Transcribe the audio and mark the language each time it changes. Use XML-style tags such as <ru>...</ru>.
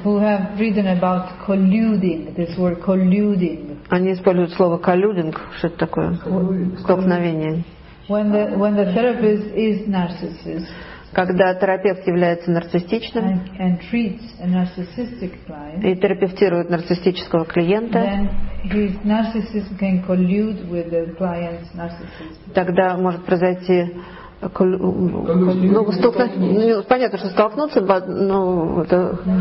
<en>Who have written about colluding? This word colluding.</en> <ru>Они используют слово colluding, что это такое? Столкновение.</ru> <en>When the therapist is narcissist.</en> <ru>Когда терапевт является нарциссичным.</ru> <en>And treats a narcissistic client.</en> <ru>И терапевтирует нарциссического клиента.</ru> <en>Then his narcissism can collude with the client's narcissism.</en> <ru>Тогда может произойти. Ну, понятно, что столкнуться,</ru> <en>but,</en> <ru>ну, это...</ru>